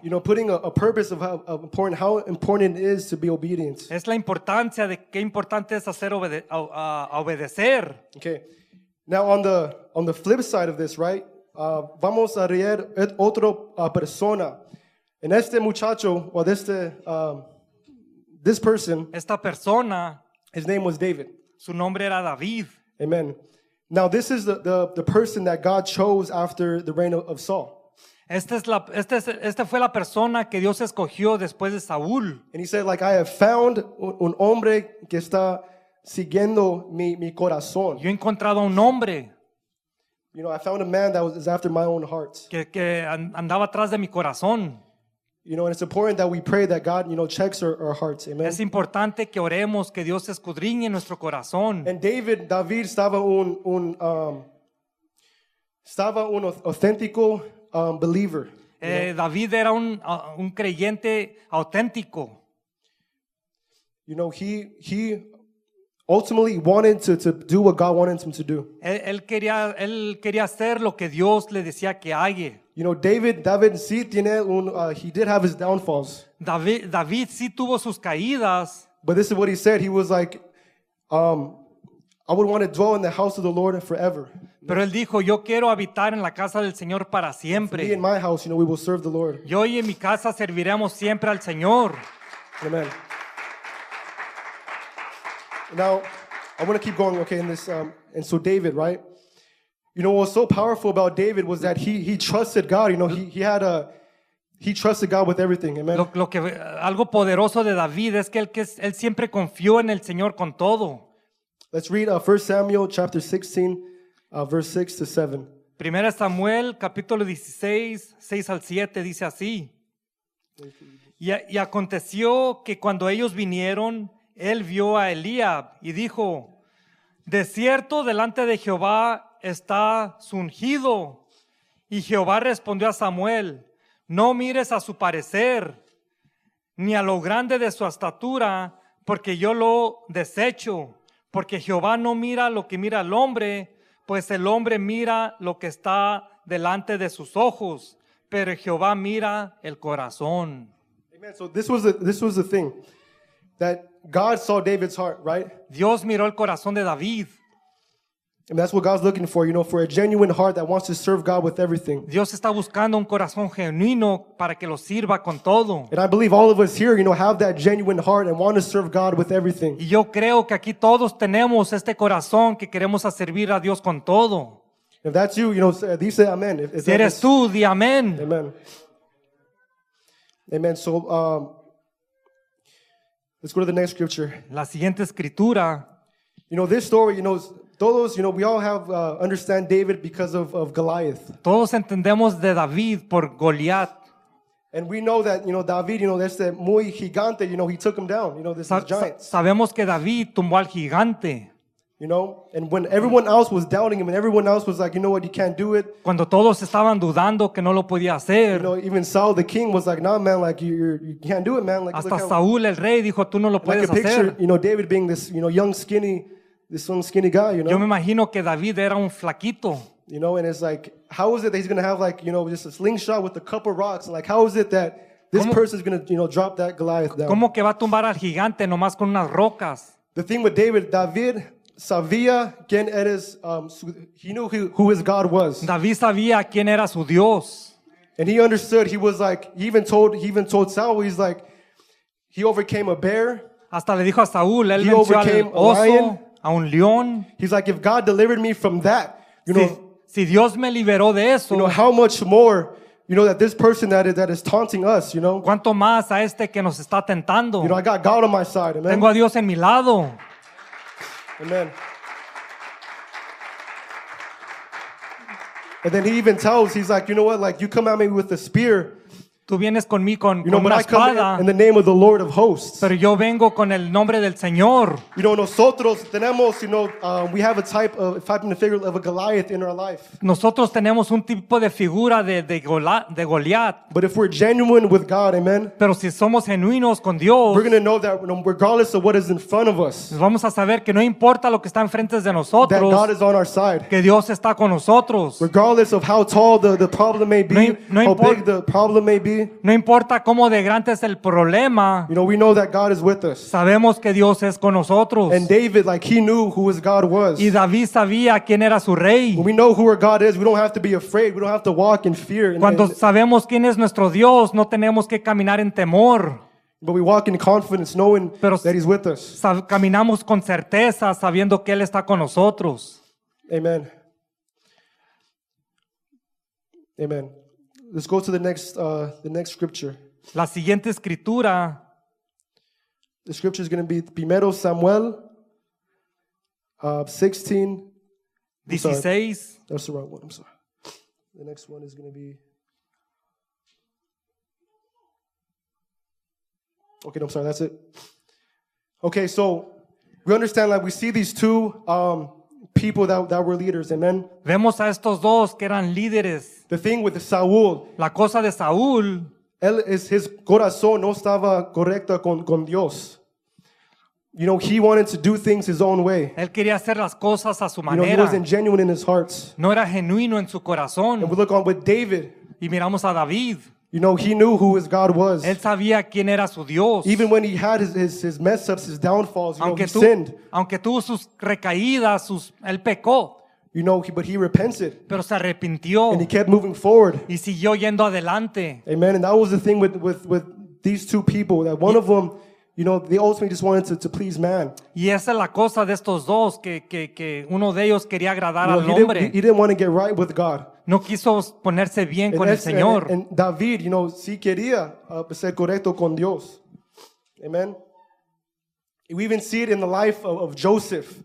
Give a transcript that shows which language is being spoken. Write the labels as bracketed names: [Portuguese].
[English] You know, putting a purpose of how important it is to be obedient. [Spanish] Es la importancia de qué importante es hacer obedecer. [English] Okay. Now on the flip side of this, right? [Spanish] Vamos a leer otro persona. En este muchacho o de este [English] this person. [Spanish] Esta persona. [English] His name was David. [Spanish] Su nombre era David. [English] Amen. Now this is the person that God chose after the reign of Saul. [Spanish] Esta fue la persona que Dios escogió después de Saúl. [English] And he said, like, I have found [Spanish] un hombre que está siguiendo mi corazón. Yo he encontrado un hombre. [English] You know, I found a man that was after my own heart. [Spanish] Que andaba atrás de mi corazón. [English] You know, and it's important that we pray that God, you know, checks our hearts. Amen. [Spanish] Es importante que oremos que Dios escudriñe nuestro corazón. And David estaba un auténtico believer. David era un creyente auténtico. [English] You know, he ultimately wanted to do what God wanted him to do. [Spanish] Él quería hacer lo que Dios le decía que haga. [English] You know, David [Spanish] sí tiene [English] he did have his downfalls. [Spanish] David sí tuvo sus caídas. [English] But this is what he said. He was like, I would want to dwell in the house of the Lord forever. [Spanish] Pero él dijo, yo quiero habitar en la casa del Señor para siempre. [English] For me and my house, you know, we will serve the Lord. [Spanish] Yo y en mi casa serviremos siempre al Señor. [English] Amen. Now, I want to keep going, okay, in this, and so David, right? You know, what was so powerful about David was that he trusted God, you know, he trusted God with everything, amen? [Spanish] Algo poderoso de David es que él siempre confió en el Señor con todo. [English] Let's read 1 Samuel chapter 16, verse 6 to 7. [Spanish] Primera Samuel, capítulo 16, 6 al 7, dice así. Y aconteció que cuando ellos vinieron, él vio a Eliab y dijo, de cierto delante de Jehová está su ungido. Y Jehová respondió a Samuel, no mires a su parecer, ni a lo grande de su estatura, porque yo lo desecho. Porque Jehová no mira lo que mira el hombre, pues el hombre mira lo que está delante de sus ojos, pero Jehová mira el corazón. [English] Amen. So this was the thing that God saw David's heart, right? [Spanish] Dios miró el corazón de David. [English] And that's what God's looking for, you know, for a genuine heart that wants to serve God with everything. [Spanish] Dios está buscando un corazón genuino para que lo sirva con todo. [English] And I believe all of us here, you know, have that genuine heart and want to serve God with everything. [Spanish] Y yo creo que aquí todos tenemos este corazón que queremos a servir a Dios con todo. [English] If that's you, you know, say amen. [Spanish] Si eres tú, di amén. [English] Amen. Amen. So, let's go to the next scripture. [Spanish] La siguiente escritura. [English] You know, this story, you know, [Spanish] todos, [English] you know, we all have understand David because of Goliath. [Spanish] Todos entendemos de David por Goliath. [English] And we know that, you know, David, you know, that's a [Spanish] muy gigante, [English] you know, he took him down, you know, this is giant. [Spanish] Sabemos que David tumbó al gigante. [English] You know, and when everyone else was doubting him and everyone else was like, you know what, you can't do it. [Spanish] Cuando todos estaban dudando que no lo podía hacer. [English] You know, even Saul the king was like, nah, man, like you can't do it, man. Like, [Spanish] hasta Saúl el rey dijo, tú no lo puedes hacer. [English] Like a picture, you know, David being this, you know, young, skinny, this one skinny guy, you know. [Spanish] Yo me imagino que David era un flaquito. [English] You know, and it's like, how is it that he's going to have like, you know, just a slingshot with a couple rocks? Like, how is it that this person is going to, you know, drop that Goliath down? [Spanish] ¿Cómo que va a tumbar al gigante nomás con unas rocas? [English] The thing with David [Spanish] sabía quién era, [English] he knew who his God was. [Spanish] David sabía quién era su Dios. [English] And he understood, he was like, he even told Saul, he's like, he overcame a bear. [Spanish] Hasta le dijo a Saúl, él venció al oso. [English] Lion. [Spanish] A un león. [English] He's like, if God delivered me from that, you know, [Spanish] si Dios me liberó de eso, [English] you know, how much more, you know, that this person that is taunting us, you know, [Spanish] cuánto más a este que nos está tentando. [English] You know, I got God on my side, amen. [Spanish] Tengo a Dios en mi lado. [English] Amen. And then he even tells, he's like, you know what, like, you come at me with a spear. [Spanish] Tú vienes con mí con, [English] you know, [Spanish] con una espada. [English] In the name of the Lord of hosts. [Spanish] Pero yo vengo con el nombre del Señor. [English] You know, [Spanish] nosotros tenemos, [English] you know, we have a type of, if I can figure it, of a Goliath in our life. [Spanish] Nosotros tenemos un tipo de figura de Goliath. [English] But if we're genuine with God, amen. [Spanish] Pero si somos genuinos con Dios, [English] we're going to know that regardless of what is in front of us. [Spanish] Vamos a saber que no importa lo que está enfrente de nosotros. [English] That God is on our side. [Spanish] Que Dios está con nosotros. [English] Regardless of how tall the problem may be, how big the problem may be. [Spanish] No importa cómo de grande es el problema. [English] You know, we know that God is with us. [Spanish] Sabemos que Dios es con nosotros. [English] And David, like, he knew who his God was. [Spanish] Y David sabía quién era su rey. [English] When we know who our God is, we don't have to be afraid. We don't have to walk in fear. [Spanish] Cuando sabemos quién es nuestro Dios, no tenemos que caminar en temor. [English] But we walk in confidence, knowing that he's with us. [Spanish] Caminamos con certeza, sabiendo que él está con nosotros. [English] Amen. Amen. Let's go to the next scripture. [Spanish] La siguiente escritura. [English] The scripture is going to be 1 Samuel 16, 16. That's the wrong one. I'm sorry. The next one is going to be. Okay, no, I'm sorry. That's it. Okay, so we understand, like, we see these two people that were leaders. Amen. [Spanish] Vemos a estos dos que eran líderes. [English] The thing with Saúl. [Spanish] La cosa de Saúl. Él es, [English] his [Spanish] corazón no estaba correcto con Dios. [English] You know, he wanted to do things his own way. [Spanish] Él quería hacer las cosas a su manera. [English] You know, he wasn't genuine in his heart. [Spanish] No era genuino en su corazón. [English] And we look on with David. [Spanish] Y miramos a David. [English] You know, he knew who his God was. [Spanish] Él sabía quién era su Dios. [English] Even when he had his mess ups, his downfalls, you [Spanish] aunque [English] know, he sinned. [Spanish] Aunque tuvo sus recaídas, él pecó. [English] You know, but he repented. [Spanish] Pero se arrepintió. [English] And he kept moving forward. [Spanish] Y siguió yendo adelante. [English] Amen. And that was the thing with these two people, that one of them, you know, they ultimately just wanted to please man. [Spanish] Y esa es la cosa de estos dos, que uno de ellos quería agradar, [English] you know, [Spanish] al hombre. [English] He didn't want to get right with God. [Spanish] No quiso ponerse bien con el Señor. And David, [English] you know, [Spanish] sí quería ser correcto con Dios. Amen. [English] We even see it in the life of Joseph.